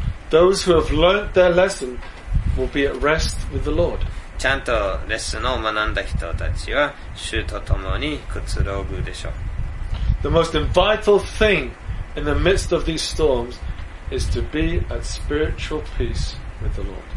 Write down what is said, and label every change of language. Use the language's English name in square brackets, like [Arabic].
[English] Those who have learnt their lesson will be at rest with the Lord. [Japanese] ちゃんとレッスンを学んだ人たちは主と共にくつろぐでしょう。 [English] The most vital thing in the midst of these storms is to be at spiritual peace with the Lord.